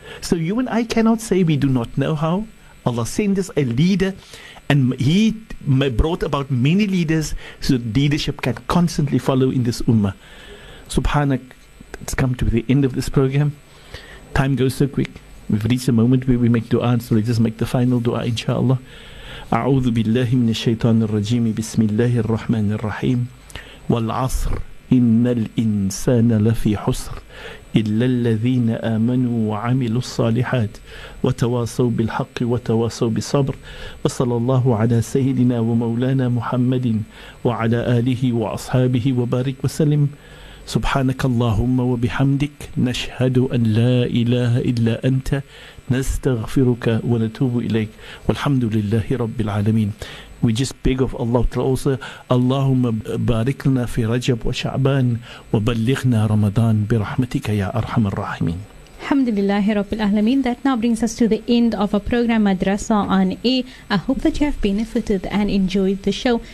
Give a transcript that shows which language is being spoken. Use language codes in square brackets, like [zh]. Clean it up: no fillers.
[en] So you and I cannot say we do not know how. Allah sent us a leader, and he brought about many leaders so leadership can constantly follow in this ummah. Subhanak, it's come to the end of this program. Time goes so quick. We've reached a moment where we make dua, so let's just make the final dua, inshallah. [ar] أعوذ بالله من الشيطان الرجيم بسم الله الرحمن الرحيم والعصر إن الإنسان لفي حسر إلا الذين آمنوا وعملوا الصالحات وتواصوا بالحق وتواصوا بالصبر وصلى الله على سيدنا ومولانا محمد وعلى آله وأصحابه وبارك وسلم سبحانك اللهم وبحمدك نشهد أن لا إله إلا أنت نستغفرك ونتوب إليك والحمد لله رب العالمين. [en] We just beg of Allah to also, [ar] اللهم بارك لنا في رجب وشعبان وبلغنا رمضان برحمتك يا أرحم الراحمين. Alhamdulillah, Rabbil Alameen. [en] That now brings us to the end of our program, Madrasa on A. I hope that you have benefited and enjoyed the show.